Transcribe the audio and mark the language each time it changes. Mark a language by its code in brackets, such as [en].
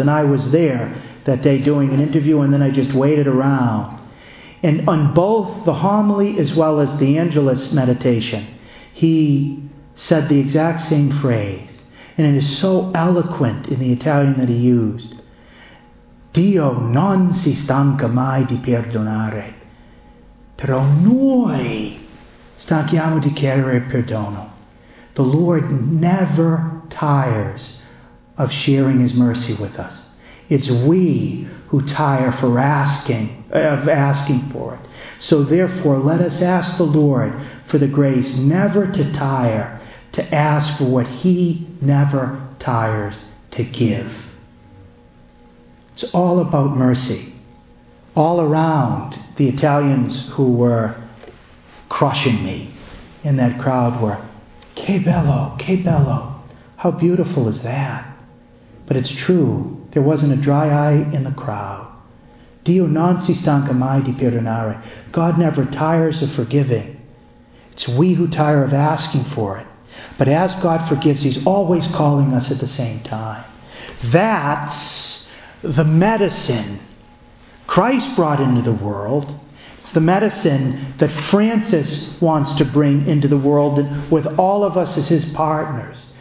[en] And I was there that day doing an interview, and then I just waited around. And on both the homily as well as the Angelus meditation, he said the exact same phrase. And it is so eloquent in the Italian that he used. [it] Dio non si stanca mai di perdonare, però noi stanchiamo di chiedere perdono. [en] The Lord never tires of sharing His mercy with us. It's we who tire for asking for it. So therefore, let us ask the Lord for the grace never to tire to ask for what He never tires to give. It's all about mercy. All around, the Italians who were crushing me in that crowd were, [it] "Che bello, che bello. [en] How beautiful is that?" But it's true. There wasn't a dry eye in the crowd. [it] Dio non si stanca mai di perdonare. [en] God never tires of forgiving. It's we who tire of asking for it. But as God forgives, He's always calling us at the same time. That's the medicine Christ brought into the world. It's the medicine that Francis wants to bring into the world with all of us as his partners.